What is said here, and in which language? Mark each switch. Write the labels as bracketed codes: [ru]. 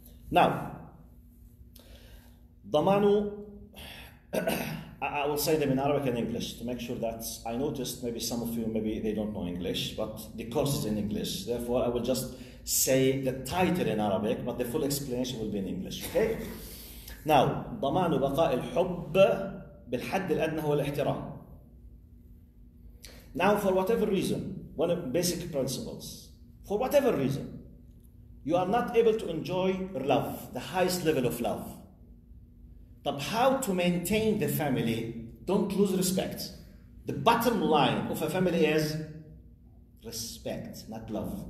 [en] Now, ضمانو, I will say them in Arabic and English to make sure that I noticed maybe some of you, maybe they don't know English, but the course is in English. Therefore, I will just say the title in Arabic, but the full explanation will be in English, okay? [ar] Now, ضمان بقاء الحب بالحد الأدنى هو الاحترام. [en] Now, for whatever reason, one of basic principles, for whatever reason, you are not able to enjoy love, the highest level of love. But how to maintain the family? Don't lose respect. The bottom line of a family is respect, not love.